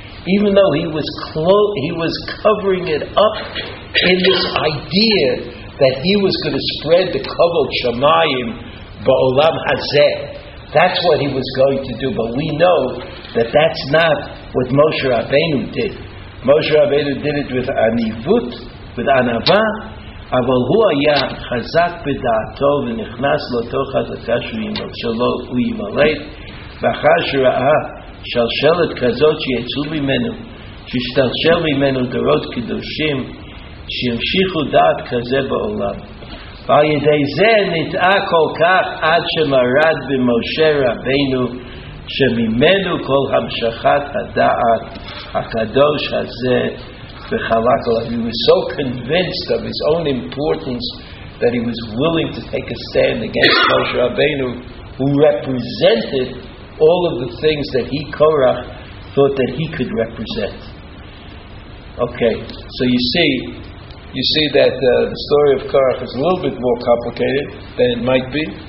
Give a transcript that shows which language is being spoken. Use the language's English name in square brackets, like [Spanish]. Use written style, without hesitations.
[English] Even though he was covering it up in this idea that he was going to spread the cover [Hebrew] Shamayim Ba'olam Hazeh. [English] That's what he was going to do. But we know that that's not what Moshe Rabbeinu did. Moshe Rabbeinu did it with Anivut, with Anava. [Hebrew] אבל הוא היה חזק בדעתו ונכנס לאותו חזקה שלו הוא ימלט ואחר שראה שלשלת כזאת שיצאו ממנו שישתלשל ממנו דורות קדושים שימשיכו דעת כזה בעולם ועל ידי זה נטע כל כך עד שמרד במשה רבינו שממנו כל המשכת הדעת הקדוש הזה. [English] He was so convinced of his own importance that he was willing to take a stand against Moshe Rabbeinu, who represented all of the things that he, Korach, thought that he could represent. Okay, so you see that the story of Korach is a little bit more complicated than it might be.